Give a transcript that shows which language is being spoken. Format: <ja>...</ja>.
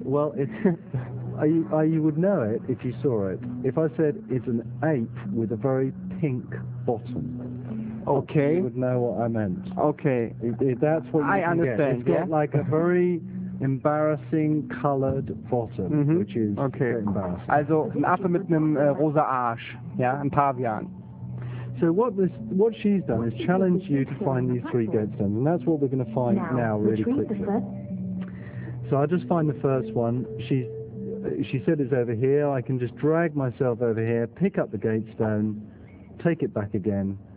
<en>Well, it's, you would know it if you saw it. If I said it's an ape with a very pink bottom, okay, you would know what I meant. Okay. That's what you I understand. Get. It's got like a very embarrassing colored bottom, which is okay. Very embarrassing.</en> <de>Also, ein Affe mit einem rosa Arsch, ja, ein Pavian.</de> <en>So what she's done is challenge you to find these three goatstones, and that's what we're going to find now really quickly. So I just find the first one. She said it's over here. I can just drag myself over here, pick up the goatstone, take it back again.</en>